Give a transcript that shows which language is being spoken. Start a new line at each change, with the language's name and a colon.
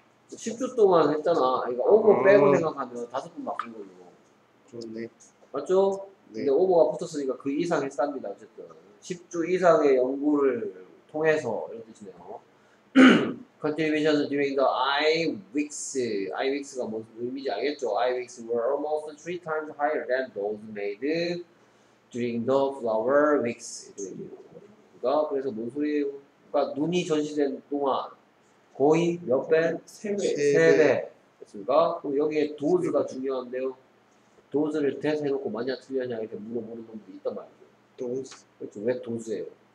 Korean: 10주 동안 했잖아. 이거 오버 빼고 생각하면 5번 바뀐 거죠. 좋네. 맞죠? 네. 근데 오버가 붙었으니까 그 이상 했답니다. 어쨌든 10주 이상의 연구를 통해서 이런 뜻이네요.
English: Contributions during the I weeks. I weeks가
Korean: 무슨 의미인지 알겠죠?
English: I weeks were almost 3 times higher than those made during the flower weeks.
Korean: 그러니까 그래서 뭔 소리예요? 그러니까 눈이 전시된 동안 거의 몇 배? 3배. 됐습니까? 그럼 여기에 도즈가 중요한데요. 도즈를 대세 해놓고 맞냐 틀렸냐 이렇게 물어보는 분도 있단 말이죠. 도즈. 그렇죠. 왜 도즈예요?